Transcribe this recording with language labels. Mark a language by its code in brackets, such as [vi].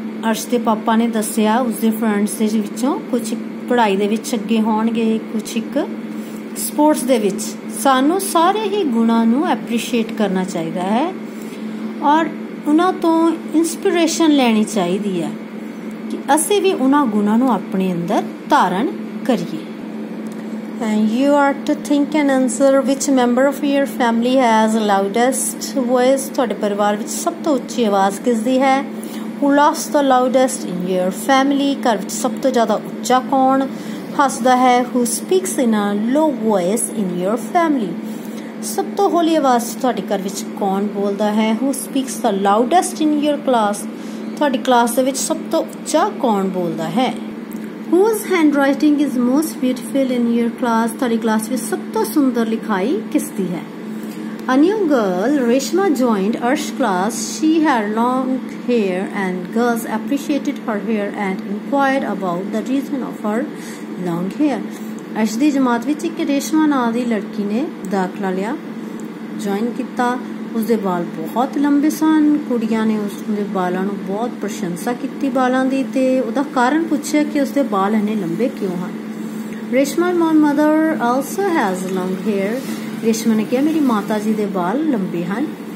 [pa] ਅਰਸ਼ ਦੇ ਪਾਪਾ ਨੇ ਦੱਸਿਆ ਉਸਦੇ ਫਰੈਂਡਸ ਦੇ ਵਿੱਚੋਂ ਕੁਛ ਪੜ੍ਹਾਈ ਦੇ ਵਿੱਚ ਅੱਗੇ ਹੋਣਗੇ, ਕੁਛ ਇੱਕ ਸਪੋਰਟਸ ਦੇ ਵਿੱਚ। ਸਾਨੂੰ ਸਾਰੇ ਹੀ ਗੁਣਾਂ ਨੂੰ ਐਪਰੀਸ਼ੀਏਟ ਕਰਨਾ ਚਾਹੀਦਾ ਹੈ ਔਰ ਉਹਨਾਂ ਤੋਂ ਇੰਸਪੀਰੇਸ਼ਨ ਲੈਣੀ ਚਾਹੀਦੀ ਹੈ ਕਿ ਅਸੀਂ ਵੀ ਉਹਨਾਂ ਗੁਣਾਂ ਨੂੰ ਆਪਣੇ ਅੰਦਰ ਧਾਰਨ ਕਰੀਏ। [en] And you are to think and answer which member of your family has loudest voice. [pa] ਤੁਹਾਡੇ ਪਰਿਵਾਰ ਵਿੱਚ ਸਭ ਤੋਂ ਉੱਚੀ ਆਵਾਜ਼ ਕਿਸ ਦੀ ਹੈ? [en] Who laughs the loudest in your family? [pa] ਘਰ ਵਿੱਚ ਸਭ ਤੋਂ ਜ਼ਿਆਦਾ ਉੱਚਾ ਕੌਣ ਹੱਸਦਾ ਹੈ? [en] Who speaks in a low voice in your family? [pa] ਸਭ ਤੋਂ ਹੌਲੀ ਆਵਾਜ਼ 'ਚ ਤੁਹਾਡੇ ਘਰ ਵਿੱਚ ਕੌਣ ਬੋਲਦਾ ਹੈ? [en] Who speaks the loudest in your class? [pa] ਤੁਹਾਡੀ ਕਲਾਸ ਦੇ ਵਿੱਚ ਸਭ ਤੋਂ ਉੱਚਾ ਕੌਣ ਬੋਲਦਾ ਹੈ? [en] Whose handwriting is most beautiful in your class? [pa] ਤੁਹਾਡੀ ਕਲਾਸ ਵਿੱਚ ਸਭ ਤੋਂ ਸੁੰਦਰ ਲਿਖਾਈ ਕਿਸ ਦੀ ਹੈ? [en] A new girl, Reshma, joined Arsh class. She had long hair and girls appreciated her hair and inquired about the reason of her long hair. [pa] Arsh ਦੀ ਜਮਾਤ ਵਿੱਚ ਇੱਕ ਰੇਸ਼ਮਾ ਨਾਂ ਦੀ ਲੜਕੀ ਨੇ ਦਾਖਲਾ ਲਿਆ, ਜੁਆਇਨ ਕੀਤਾ। ਉਸਦੇ ਵਾਲ ਬਹੁਤ ਲੰਬੇ ਸਨ, ਕੁੜੀਆਂ ਨੇ ਉਸਦੇ ਵਾਲਾਂ ਨੂੰ ਬਹੁਤ ਪ੍ਰਸ਼ੰਸਾ ਕੀਤੀ ਵਾਲਾਂ ਦੀ ਅਤੇ ਉਹਦਾ ਕਾਰਨ ਪੁੱਛਿਆ ਕਿ ਉਸਦੇ ਵਾਲ ਇੰਨੇ ਲੰਬੇ ਕਿਉਂ ਹਨ। Reshma [en] my mother also has long hair, [pa] Reshma ਨੇ ਕਿਹਾ ਮੇਰੀ ਮਾਤਾ ਜੀ ਦੇ ਵਾਲ ਲੰਬੇ ਹਨ।